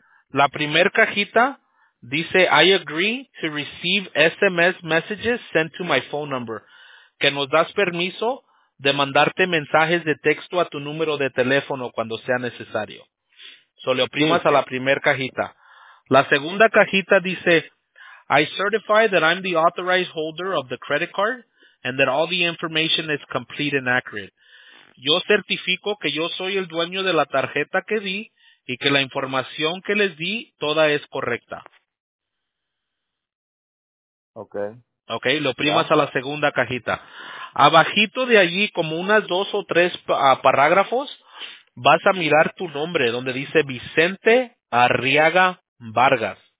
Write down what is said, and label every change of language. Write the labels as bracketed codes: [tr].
[es] La primer cajita dice [en] I agree to receive SMS messages sent to my phone number. [es] Que nos das permiso de mandarte mensajes de texto a tu número de teléfono cuando sea necesario. Solo oprimas sí. A la primer cajita. La segunda cajita dice [en] I certify that I'm the authorized holder of the credit card and that all the information is complete and accurate. [es] Yo certifico que yo soy el dueño de la tarjeta que di y que la información que les di toda es correcta. [en] Okay, [es] lo oprimas a la segunda cajita. Abajito de allí, como unas dos o tres parágrafos, vas a mirar tu nombre, donde dice Vicente Arriaga Vargas.